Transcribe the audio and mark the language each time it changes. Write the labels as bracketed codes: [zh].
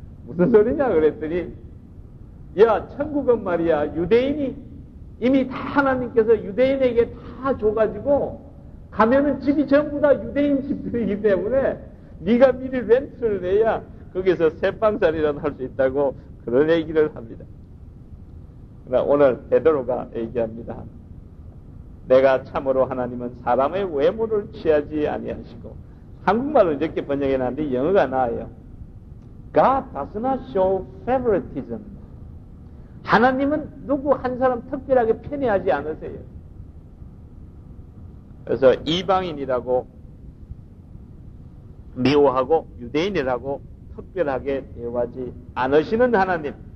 [ko] 무슨 소리냐 그랬더니 야 천국은 말이야 유대인이 이미 다 하나님께서 유대인에게 다 줘가지고 가면은 집이 전부 다 유대인 집들이기 때문에 네가 미리 렌트를 내야 거기서 새빵살이라도 할 수 있다고 그런 얘기를 합니다. 오늘 베드로가 얘기합니다. 내가 참으로 하나님은 사람의 외모를 취하지 아니하시고 한국말로 이렇게 번역해놨는데 영어가 나아요. [en] God does not show favoritism. [ko] 하나님은 누구 한 사람 특별하게 편애하지 않으세요. 그래서 이방인이라고 미워하고 유대인이라고 특별하게 대우하지 않으시는 하나님.